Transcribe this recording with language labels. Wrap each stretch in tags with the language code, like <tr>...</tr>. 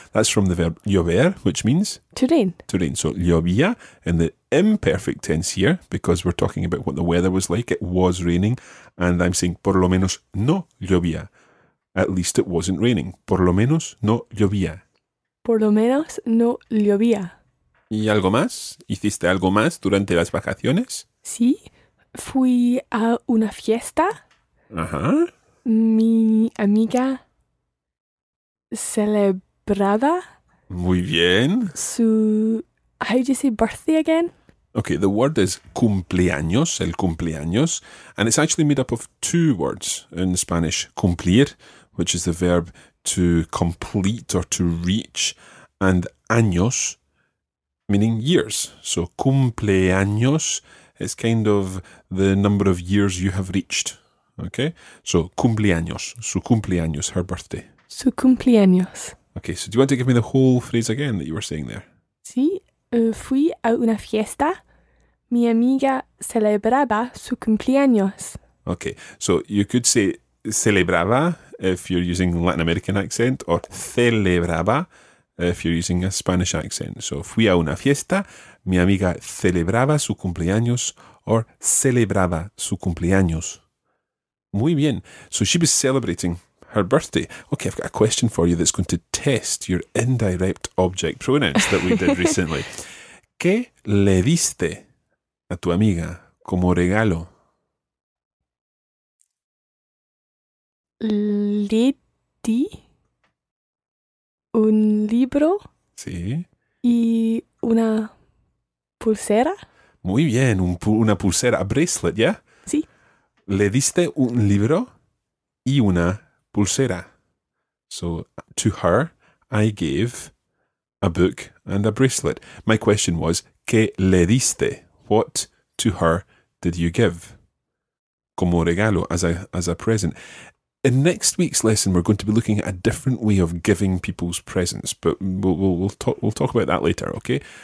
<en>That's from the verb llover, which means? To rain. To rain. So llovía in the imperfect tense here, because we're talking about what the weather was like. It was raining. And I'm saying,</en> <es>por lo menos no llovía.</es> <en>At least it wasn't raining.</en> <es>Por lo menos no llovía. Por lo menos no llovía. ¿Y algo más? ¿Hiciste algo más durante las vacaciones? Sí. Fui a una fiesta. Ajá. Mi amiga celebraba. Muy bien.</es> <en>Su, how do you say birthday again? Okay, the word is cumpleaños, el cumpleaños. And it's actually made up of two words in Spanish. Cumplir, which is the verb to complete or to reach. And años, meaning years. So cumpleaños is kind of the number of years you have reached. Okay, so cumpleaños, su cumpleaños, her birthday. Su cumpleaños. Okay, so do you want to give me the whole phrase again that you were saying there?</en> <es>Sí, fui a una fiesta. Mi amiga celebraba su cumpleaños.</es> <en>Okay, so you could say celebraba if you're using Latin American accent, or celebraba if you're using a Spanish accent.</en> <es>So fui a una fiesta. Mi amiga celebraba su cumpleaños, or celebraba su cumpleaños. Muy bien.</es> <en>So she was celebrating her birthday. Okay, I've got a question for you that's going to test your indirect object pronouns that we did recently.</en> <es>¿Qué le diste a tu amiga como regalo? Le di un libro. Sí. Y una pulsera. Muy bien, una pulsera,</es> <en>a bracelet,</en> <es>¿ya?</es> <en>Yeah? Sí.</en> <es>Le diste un libro y una pulsera.</es> <en>So, to her, I gave a book and a bracelet. My question was,</en> <es>¿qué le diste?</es> <en>What to her did you give?</en> <es>Como regalo,</es> <en>as a present. In next week's lesson, we're going to be looking at a different way of giving people's presents, but we'll talk about that later, okay?</en>